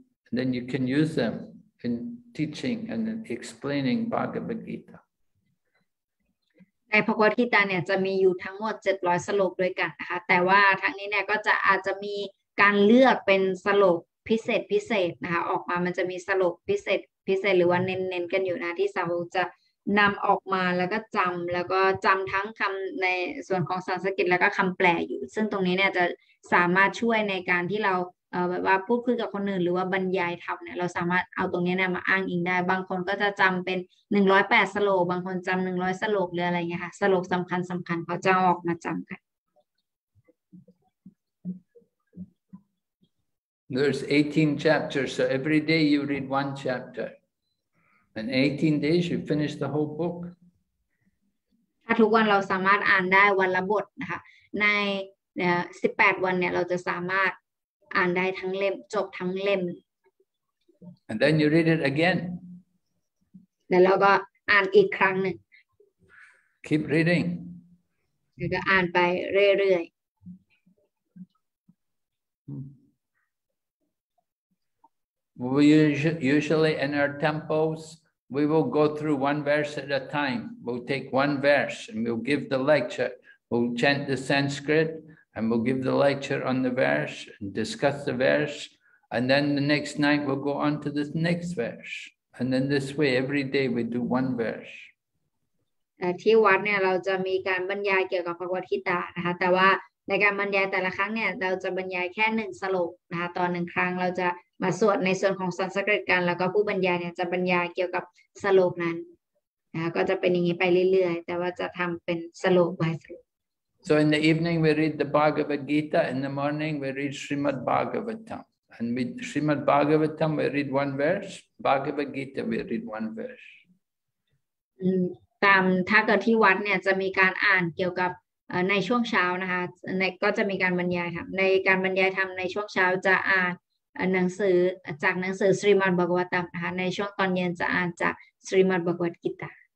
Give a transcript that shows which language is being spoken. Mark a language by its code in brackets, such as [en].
[en] And then you can use them in teaching and explaining Bhagavad Gita. [th] ในพระกวัตกีตาเนี่ยจะมีอยู่ทั้งหมด700สโลกด้วยกันนะคะแต่ว่าทั้งนี้เนี่ยก็จะอาจจะมีการเลือกเป็นสโลกพิเศษนะคะออกมามันจะมีสโลกพิเศษหรือว่าเน้นกันอยู่นะที่สาวกจะนำออกมาแล้วก็จำแล้วก็จำทั้งคำในส่วนของสันสกฤตแล้วก็คำแปลอยู่ซึ่งตรงนี้เนี่ยจะสามารถช่วยในการที่เราแบบว่าพูดคุยกับคนอื่นหรือว่าบรรยายธรรมเนี่ยเราสามารถเอาตรงนี้เนี่ยมาอ้างอิงได้บางคนก็จะจำเป็น108สโลกบางคนจำ100สโลกหรืออะไรเงี้ยค่ะสโลกสำคัญเขาจะออกมาจำกัน [en] There's 18 chapters, so every day you read one chapter. In 18 days, you finish the whole book. [th] ถ้าทุกวันเราสามารถอ่านได้วันละบทนะคะใน18วันเนี่ยเราจะสามารถอ่านได้ทั้งเล่มจบทั้งเล่ม [en] And then you read it again. [th] แล้วเราก็อ่านอีกครั้งนึง [en] Keep reading. [th] แล้วก็อ่านไปเรื่อยๆ [en] We usually in our temples, we will go through one verse at a time. We'll take one verse and we'll give the lecture. We'll chant the Sanskrit and we'll give the lecture on the verse and discuss the verse. And then the next night we'll go on to this next verse. And then this way, every day we do one verse. [th] ที่วัดเนี่ยเราจะมีการบรรยายเกี่ยวกับพระกวัตกีตานะคะแต่ว่าในการบรรยายแต่ละครั้งเนี่ยเราจะบรรยายแค่หนึ่งสโลกนะคะตอนหนึ่งครั้งเราจะมาสวดในส่วนของสันสกฤตกันแล้วก็ผู้บรรยายเนี่ยจะบรรยายเกี่ยวกับสโลกนั้นนะคะก็จะเป็นอย่างนี้ไปเรื่อยๆแต่ว่าจะทำเป็นสโลก [en] by [th] สโลก [en] So in the evening we read the Bhagavad Gita in the morning we read Srimad Bhagavatam and with Srimad Bhagavatam we read one verse Bhagavad Gita we read one verse [th] ตามถ้าเกิดที่วัดเนี่ยจะมีการอ่านเกี่ยวกับในช่วงเช้านะคะก็จะมีการบรรยายธรรมในการบรรยายธรรมในช่วงเช้าจะอ่านหนังสือจากหนังสือ Srimad Bhagavatam นะคะในช่วงตอนเย็นจะอ่านจาก Srimad Bhagavad Gita